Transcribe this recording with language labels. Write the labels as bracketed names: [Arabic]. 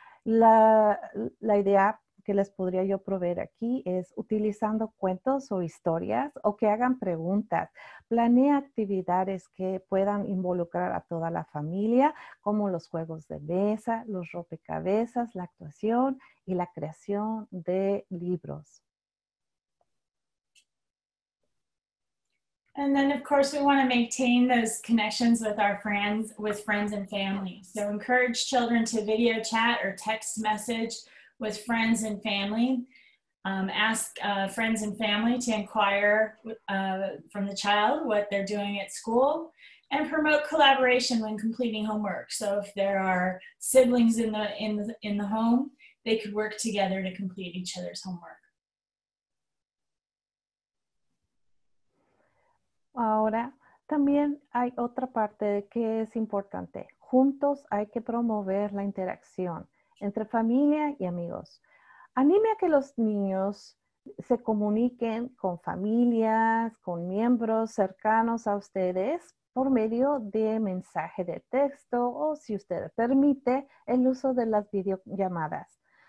[Spanish] La idea que les podría yo proveer aquí es utilizando cuentos o historias o que hagan preguntas. Planea actividades que puedan involucrar a toda la familia, como los juegos de mesa, los rompecabezas, la actuación y la creación de libros. [English] And then, of course, we want to maintain those connections with our friends, with friends and family. So encourage children to video chat or text message with friends and family. Ask friends and family to inquire from the child what they're doing at school, and promote collaboration when completing homework. So if there are siblings in the home, they could work together to complete each other's homework. [Spanish] Ahora, también hay otra parte que es importante. Juntos hay que promover la interacción entre familia y amigos. Anime a que los niños se comuniquen con familias, con miembros cercanos a ustedes por medio de mensaje de texto o, si usted permite, el uso de las videollamadas.